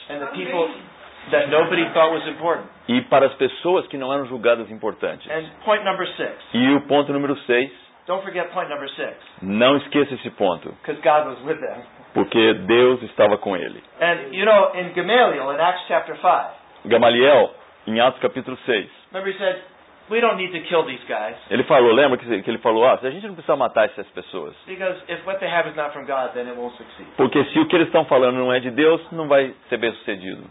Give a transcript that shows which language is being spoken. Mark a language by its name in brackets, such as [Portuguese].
[English] And the people that nobody thought was important. [Portuguese] E para as pessoas que não eram julgadas importantes. [English] And point number six. [Portuguese] E o ponto número 6. [English] Don't forget point number six. [Portuguese] Não esqueça esse ponto. [English] Because God was with them. [Portuguese] Porque Deus estava com ele. [English] And you know, in Gamaliel, in Acts chapter 5. [Portuguese] Gamaliel, em Atos capítulo 6. [English] Remember he said, we don't need to kill these guys. [Portuguese] Ele falou, lembra que ele falou, ah, a gente não precisa matar essas pessoas. [English] Because if what they have is not from God, then it won't succeed. [Portuguese] Porque se o que eles estão falando não é de Deus, não vai ser bem sucedido.